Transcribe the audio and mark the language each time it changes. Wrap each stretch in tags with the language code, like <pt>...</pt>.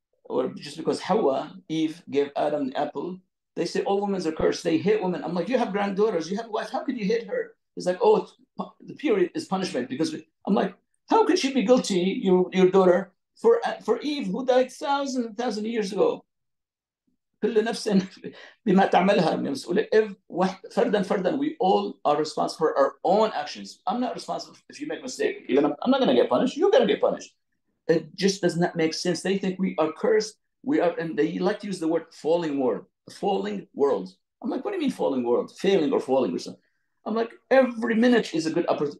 <en>Or just because Hawa, Eve, gave Adam the apple, they say all women are cursed. They hate women. I'm like, you have granddaughters, you have a wife. How could you hate her? It's like, oh, the period is punishment. Because I'm like, how could she be guilty, your daughter, for Eve, who died thousands and thousands of years ago?</en> <ar>كل نفس بما تعملها مسؤولة.</ar> <en>فردا, we all are responsible for our own actions. I'm not responsible if you make a mistake. Even I'm not going to get punished. You're going to get punished. It just does not make sense. They think we are cursed. We are, and they like to use the word falling world. Falling world. I'm like, what do you mean falling world? Failing or falling or something. I'm like, every minute is a good opportunity.</en>